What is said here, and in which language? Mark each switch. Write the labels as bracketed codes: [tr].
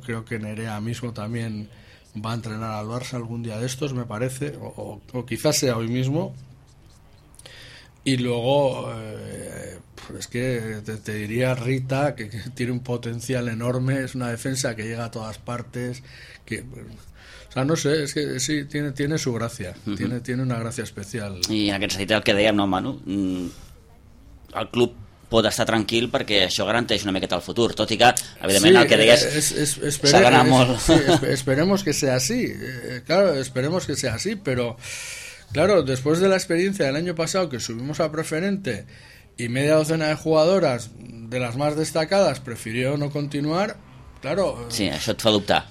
[es] Creo que Nerea mismo también va a entrenar al Barça algún día de estos, me parece, o quizás sea hoy mismo. Y luego, es que te diría Rita, que tiene un potencial enorme, es una defensa que llega a todas partes, que... O sea, no sé, es que sí, tiene su gracia, uh-huh, tiene una gracia especial. [ca] I en aquest sentit, el que dèiem, no, Manu, el club pot estar tranquil perquè això garanteix una miqueta el futur, tot i que, evidentment, sí, el que deies, s'ha d'anar molt. [es] Sí, esperemos que sea así, claro, esperemos que sea así, pero claro, después de la experiencia del año pasado que subimos a preferente y media docena de jugadoras de las más destacadas prefirió no continuar... Claro. [ca] Sí, això et fa dubtar.